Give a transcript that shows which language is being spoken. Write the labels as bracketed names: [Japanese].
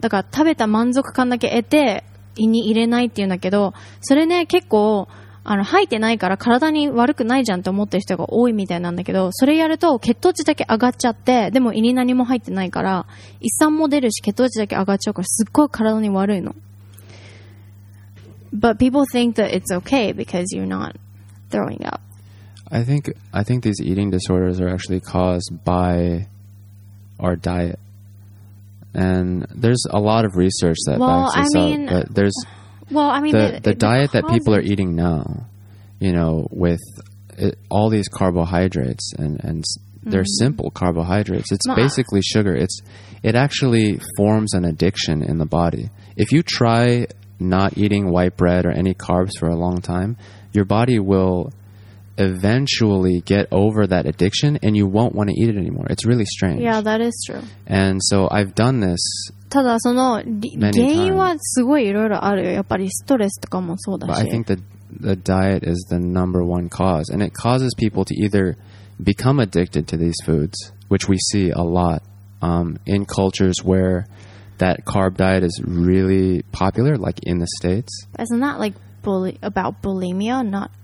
[Japanese] だから食べた満足感だけ得て胃に入れないっていうんだけど、それね結構。あの吐いてないから体に悪くないじゃんって思ってる人が多いみたいなんだけど、それやると血糖値だけ上がっちゃって、でも胃に何も入ってないから胃酸も出るし血糖値だけ上がっちゃうからすっごい体に悪いの。 [English] But people think that it's okay because you're not throwing up. I think these eating disorders are actually caused by our diet. And there's a lot of research that backs this up, but there's Well, I mean, the diet that people are eating now, you know, with it, all these carbohydrates and they're simple carbohydrates. It's basically sugar. It actually forms an addiction in the body. If you try not eating white bread or any carbs for a long time, your body will eventually get over that addiction and you won't want to eat it anymore. It's really strange. Yeah, that is true. And so I've done this. [Japanese] ただその原因はすごいいろいろあるよ。やっぱりストレスとかもそうだし。 [English] But I think the diet is the number one cause, and it causes people to either become addicted to these foods, which we see a lot in cultures where that carb diet is really popular, like in the States. Isn't that like about bulimia? Not.